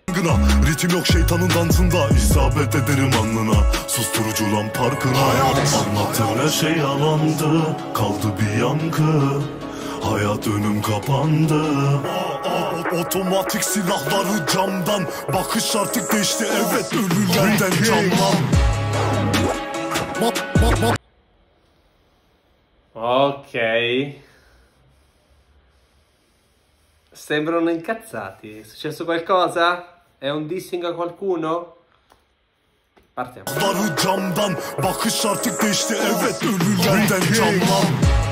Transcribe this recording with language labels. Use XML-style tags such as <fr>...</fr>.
<tr>Gına, ritim yok şeytanın dansında İsabet ederim anlına Susturucu lan parkına Hayat anlattığın her şey yalandı Kaldı bir yankı Hayat önüm kapandı Otomatik silahları camdan Bakış artık değişti evet ölülerden camdan</tr> <it>Ok Sembrano incazzati È successo qualcosa? È un dissing a qualcuno? Partiamo</it> <tr>Silahları camdan Bakış artık değişti evet ölülerden camdan</tr>